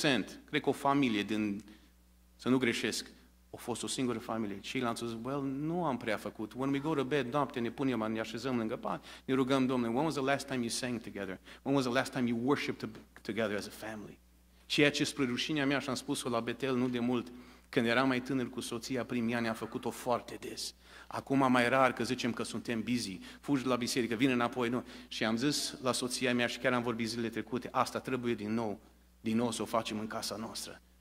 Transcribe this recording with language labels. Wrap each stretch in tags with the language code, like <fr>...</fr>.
<ro>99%, cred că o familie din, să nu greșesc, a fost o singură familie. Ceilalți au zis, well, nu am prea făcut.</ro> <en>When we go to bed,</en> <ro>noapte, ne punem, ne așezăm lângă pat, ne rugăm,</ro> <en>Domnule, when was the last time you sang together? When was the last time you worshipped together as a family?</en> <ro>Ceea ce spre rușinea mea, și am spus-o la Betel nu de mult, când eram mai tânăr cu soția, primii ani am făcut-o foarte des. Acum mai rar, că zicem că suntem busy, fugi la biserică, vin înapoi, nu. Și am zis la soția mea și chiar am vorbit zilele trecute, asta trebuie din nou să o facem în casa noastră.</ro>